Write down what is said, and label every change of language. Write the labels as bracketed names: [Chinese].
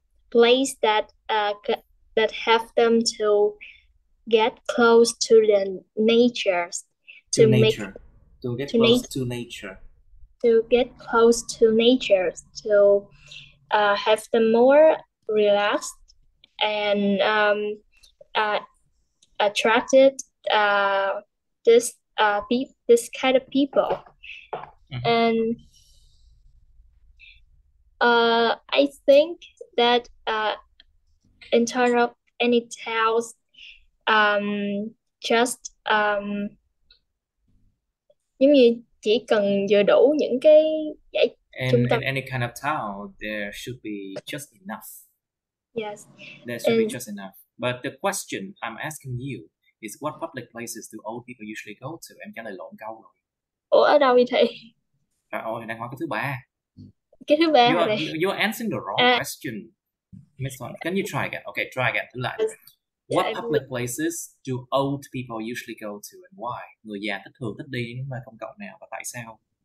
[English] place that that have them to get close to the nature to get close to nature, to have them more relaxed and attracted this kind of people. Mm-hmm. And I think that in terms of any towns, just [Vietnamese] giống như chỉ cần vừa đủ những cái giải trung tâm. [English] In any kind of town, there should be just enough. Yes. There should be just enough. But the question I'm asking you is what public places do old people usually go to? [Vietnamese] Em trả lời lộn câu rồi. Ủa, ở đâu vậy thầy? À, ôi, thầy đang hỏi cái thứ ba. Cái thứ ba [English] You're answering the wrong question. Miss Thuan, can you try again? Okay, try again. [Vietnamese] Thử lại. [English] What public places do old people usually go to and why? [Vietnamese] Người già thích thường thích đi những nơi công cộng nào và tại sao?